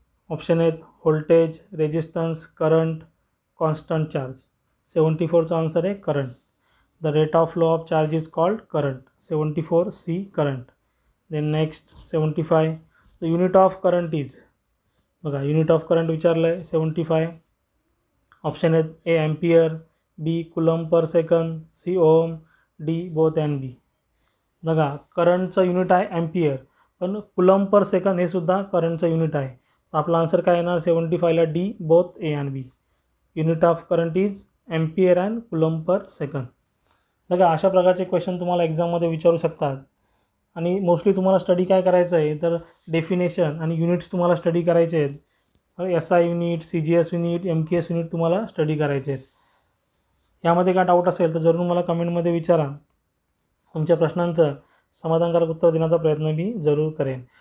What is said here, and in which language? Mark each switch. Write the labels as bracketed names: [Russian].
[English] Option आहेत voltage, resistance, current, constant charge. [Marathi] 74 answer आहे current. [English] The rate of flow of charge is called current. 74 C, current. Then next 75 the unit of current is. [Marathi] बघा unit of current विचारलं आहे 75. [English] Option आहेत A ampere, B coulomb per second, C ohm, D both and B. [Marathi] बघा करंटचं unit आहे ampere, पण coulomb per second हे सुद्धा करंटचं unit आहे. आपला आन्सर काय येणार 75 D, [English] Both A and B. Unit of current is ampere and coulomb per second. [Marathi] बघा अशा प्रकारचे क्वेश्चन तुम्हाला एक्झाममध्ये विचारू शकतात. आणि मोस्टली तुम्हाला स्टडी काय करायचं आहे तर डेफिनेशन आणि युनिट्स तुम्हाला स्टडी करायचे आहेत. S I unit, C G S unit, M K S unit तुम्हाला स्टडी करायचे आहेत. यामध्ये काय डाऊट असेल तर जरूर मला कमेंटमध्ये विचारा. तुमच्या प्रश्नांचं समाधानकारक उत्तर देण्याचा प्रयत्न मी जरूर करेन.